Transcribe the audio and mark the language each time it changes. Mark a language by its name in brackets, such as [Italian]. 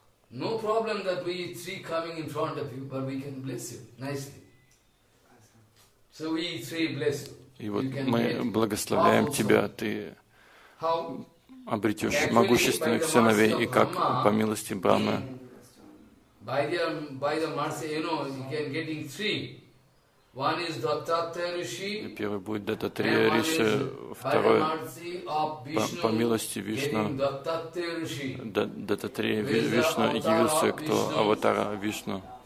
[English] No problem that we three coming in front of you, but we can bless you nicely. So we three bless you. [Russian] И вот мы благословляем тебя, ты обретешь могущественных сыновей, и как по милости Брахмы. [English] By the mercy, you know, you can getting three. One is Dattatreya Rishi. [Russian] И первый будет Дататрея Риши, второй по милости Вишна. Дататрея Вишна явился, кто аватара Вишну.